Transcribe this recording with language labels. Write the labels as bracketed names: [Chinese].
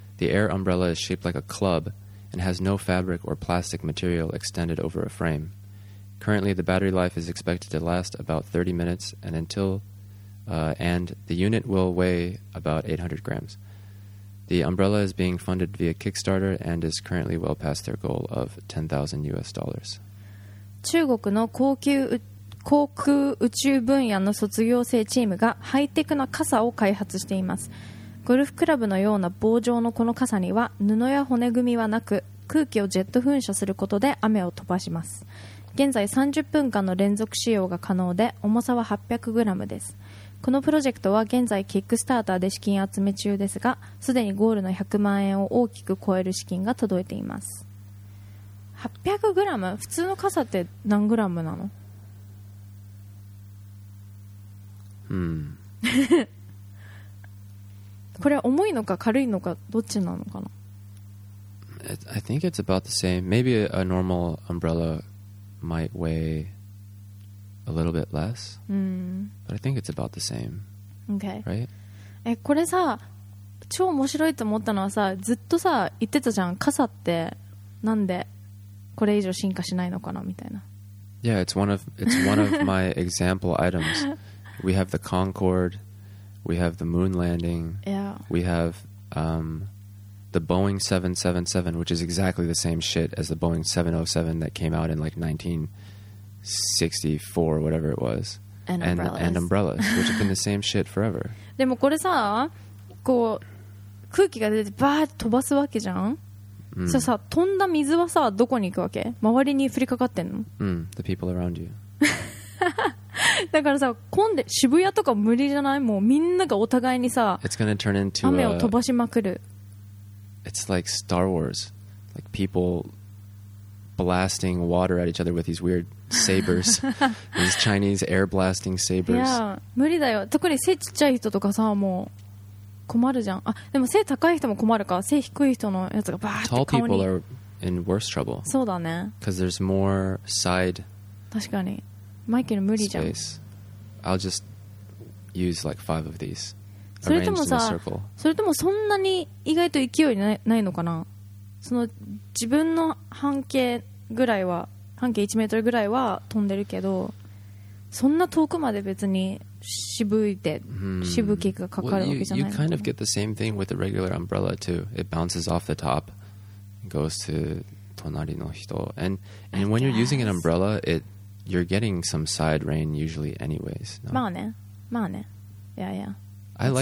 [English] The air umbrella is shaped like a club and has no fabric or plastic material extended over a frame. Currently, the battery life is expected to last about 30 minutes and the unit will weigh about 800 grams. The umbrella is being funded via Kickstarter and is currently well past their goal of $10,000. [Japanese] 中国の航空宇宙分野の卒業生チームがハイテクな傘を開発しています。ゴルフクラブのような棒状のこの傘には布や骨組みはなく、空気をジェット噴射することで雨を飛ばします。現在30分間の連続使用が可能で、重さは 800g です。このプロジェクトは現在キックスターターで資金集め中ですが、すでにゴールの100万円を大きく超える資金が届いています。 800g? 普通の傘って何 g なの？これ重いのか軽いのかどっちなのかな。 [English] I think it's about the same. Maybe a normal umbrella might weigha little bit less, but I think it's about the same. Okay. Right? [Japanese] これさ、超面白いと思ったのはさ、ずっとさ、言ってたじゃん、傘ってなんでこれ以上進化しないのかなみたいな。 [English] Yeah, it's one of my example items. We have the Concorde, we have the moon landing. Yeah. We have the Boeing 777, which is exactly the same shit as the Boeing 707 that came out in like 1964 or whatever it was. And umbrellas, which have been the same shit forever. [Japanese] でもこれさ、こう空気が出てバーッと飛ばすわけじゃん。そうさ、飛んだ水はさ、どこに行くわけ？周りに降りかかってんの？ [English] The people around you. [Japanese] だからさ、混んで渋谷とか無理じゃない？もうみんながお互いにさ、 [English] It's gonna turn into [Japanese] 雨を飛ばしまくる。 [English] It's like Star Wars. Like people blasting water at each other with these weird sabers. These Chinese air blasting sabers. [Japanese] いや、無理だよ。特に背ちっちゃい人とかさ、もう。困るじゃん。あ、でも背高い人も困るか。背低い人のやつがバーって顔に。 [English] Tall people are in worse trouble. [Japanese] そうだね。 [English] Because there's more side. [Japanese] 確かに。マイケル無理じゃん。 [English] Space. I'll just use like five of these. [Japanese] それともさ、それともそんなに意外と勢いないのかな。その自分の半径ぐらいは、半径1メートルぐらいは飛んでるけど、そんな遠くまで別に。 [English] You kind of get the same thing with a regular umbrella too. It bounces off the top, goes to [Japanese] 隣の人. [English] And when you're using an umbrella, you're getting some side rain usually anyways. No? [Japanese] まあね。まあね。 [English] Yeah, yeah.